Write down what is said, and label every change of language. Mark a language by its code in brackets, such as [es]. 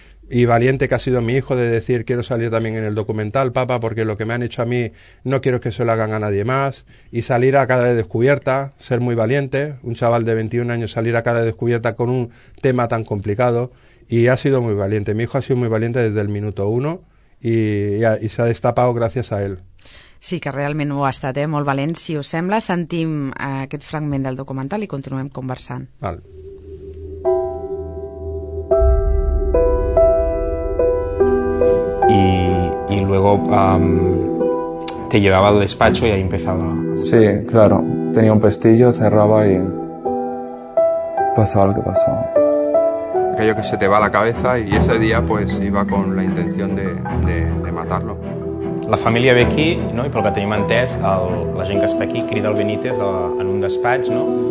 [es] Y valiente que ha sido mi hijo de decir, quiero salir también en el documental, papá, porque lo que me han hecho a mí no quiero que se lo hagan a nadie más. Y salir a cara de descubierta, ser muy valiente, un chaval de 21 años salir a cara de descubierta con un tema tan complicado. Y ha sido muy valiente. Mi hijo ha sido muy valiente desde el minuto uno y se ha destapado gracias a él. [ca] Sí, que realment ho ha estat, molt valent. Si us sembla, sentim aquest fragment del documental i continuem conversant. Val. [es] Y luego te llevaba al despacho y ahí empezaba. Sí, claro. Tenía un pestillo, cerraba y pasaba lo que pasaba. Aquello que se te va a la cabeza y ese día pues iba con la intención de matarlo. [ca] La família ve aquí, no? I pel que tenim entès, la gent que està aquí crida el Benítez en un despatx, no?